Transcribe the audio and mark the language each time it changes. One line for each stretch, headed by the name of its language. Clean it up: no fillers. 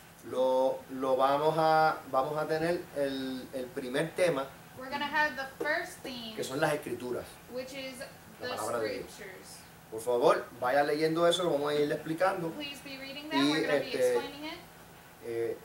Spanish: Lo vamos a tener el primer tema.
English: We're going to have the first theme.
Spanish: Que son las Escrituras.
English: Which is the Scriptures.
Spanish: Por favor, vaya leyendo eso, lo vamos a ir explicando.
English: Please be reading that, we're going to be explaining it.